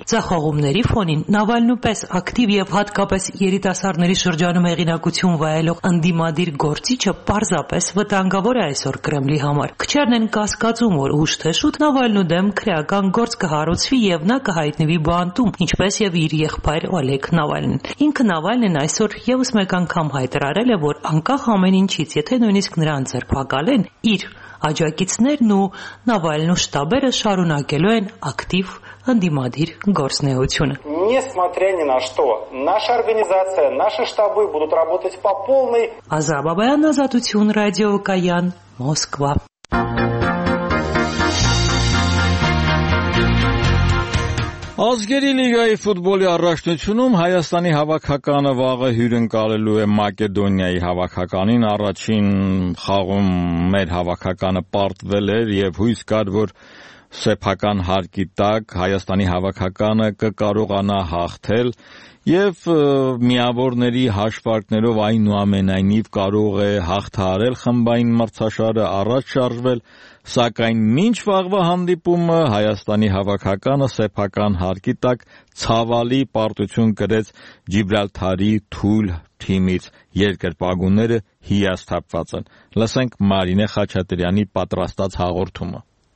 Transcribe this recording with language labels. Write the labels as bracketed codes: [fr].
[hy] ցախողումների ֆոնին, Նավալնու պես ակտիվ եւ հատկապես երիտասարդների շրջանում հեղինակություն վայելող անդիմադիր գործիչը պարզապես վտանգավոր է այսօր Կրեմլի համար։ Քչերն են կասկածում, որ ուշ թե շուտ Նավալնու դեմ քրեական գործ կհարուցվի եւ նա կհայտնվի բանտում, ինչպես եւ իր եղբայր Օլեգ Նավալնին։ Ինքը Նավալնին այսօր եւս մեկ անգամ հայտարարել է, որ անկախ ամեն ինչից, եթե նույնիսկ նրան ձերբակալեն, իր աջակիցներն ու Նավալնու շտաբերը շարունակելու են ակտիվ անդիմադիր գործնեությունը։ [ru] Несмотря ни на что, наша организация, наши штабы будут работать по полной. Аза Бабаян, Азатություն, Радио Каян, Москва. [hy] Ազգերի լիգայի ֆուտբոլի առաջնությունում Հայաստանի հավաքականը վաղը հյուրընկալելու է Մակեդոնիայի հավաքականին։ Առաջին խաղում մեր հավաքականը պարտվել էր եւ հույս կար, որ սեփական հարկի տակ Հայաստանի հավաքականը կկարողանա հաղթել եւ միավորների հաշվարկներով այնուամենայնիվ կարող է հաղթահարել խմբային մրցաշարը, առաջ շարժվել։ Սակայն մինչ վաղվա հանդիպումը Հայաստանի հավաքականը սեփական հարկի տակ ցավալի պարտություն գրեց Ջիբրալթարի թույլ թիմից, երկրպագունները հիասթափված են։ Լսենք Մարինե Խաչատրյանի պատրաստած հաղորդումը։